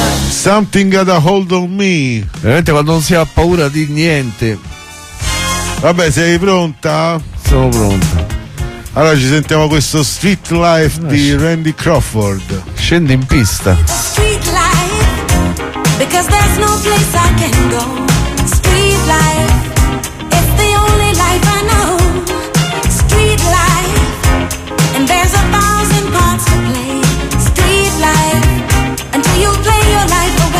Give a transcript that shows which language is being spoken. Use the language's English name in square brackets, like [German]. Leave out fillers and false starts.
[English] Something got a hold on me. [Italian] Veramente quando non si ha paura di niente. Vabbè, sei pronta? Sono pronta. Allora ci sentiamo questo Street Life di Randy Crawford. Scendi in pista. [English] Street life, because there's no place I can go. Street life, it's the only life I know. Street life, and there's a thousand parts to play. Street life, until you play your life.